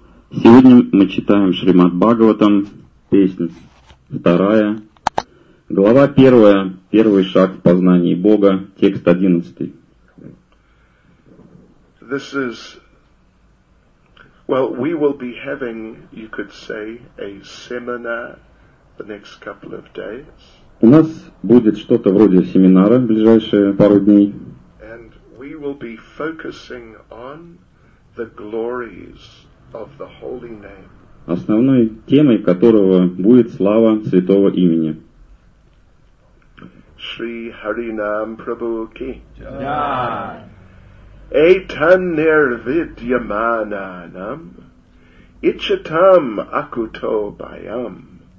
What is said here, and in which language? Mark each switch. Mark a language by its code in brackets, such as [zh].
[ru] Сегодня мы читаем Шримад Бхагаватам, песня 2, глава 1, первый шаг в познании Бога, текст 11. [en] This is, well, we will be having, you could say, a seminar. The next couple of days. [ru] У нас будет что-то вроде семинара в ближайшие пару дней. [en] And we will be focusing on the glories of the holy name. [ru] Основной темой которого будет слава святого имени. [sa] Шри Харинам Прабху Ки. Джай. Этанер видьяманам ичитам акуто байам.